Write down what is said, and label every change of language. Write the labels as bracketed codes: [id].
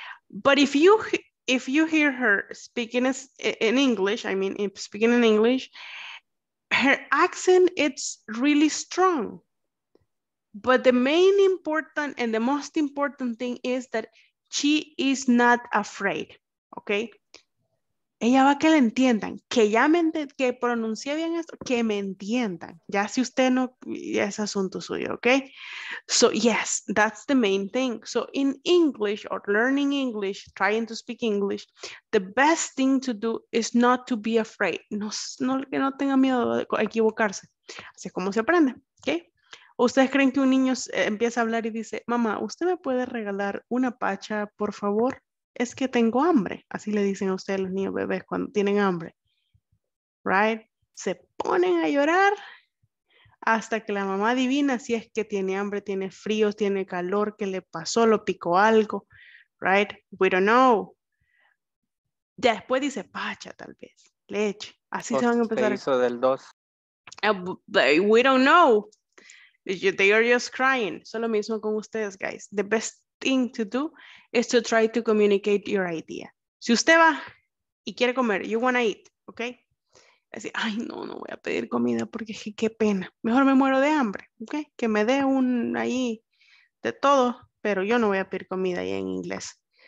[en] But if you hear her speaking in English, I mean, if speaking in English, her accent, it's really strong. But the main important and the most important thing is that she is not afraid, okay? [es] Ella va a que le entiendan, que ya me que pronuncie bien esto, que me entiendan. Ya si usted no, es asunto suyo, ¿ok? [en] So, yes, that's the main thing. So, in English or learning English, trying to speak English, the best thing to do is not to be afraid. [es] No, que no tenga miedo de equivocarse. Así es como se aprende, ¿ok? ¿Ustedes creen que un niño empieza a hablar y dice, mamá, usted me puede regalar una pacha, por favor? Es que tengo hambre. Así le dicen a ustedes los niños bebés cuando tienen hambre. Right? Se ponen a llorar hasta que la mamá adivina si es que tiene hambre, tiene frío, tiene calor, que le pasó, lo picó algo. [en] Right? We don't know. [es] Después dice pacha, tal vez. Leche. Así se van a empezar. Eso del 2. [en] We don't know. They are just crying. [es] So lo mismo con ustedes, guys. [en] The best thing to do is to try to communicate your idea. [es] Si usted va y quiere comer, [en] you want to eat, [es] ¿ok? Así, ay, no, no voy a pedir comida porque qué pena. Mejor me muero de hambre, ¿ok? Que me dé un ahí de todo, pero yo no voy a pedir comida ahí en inglés.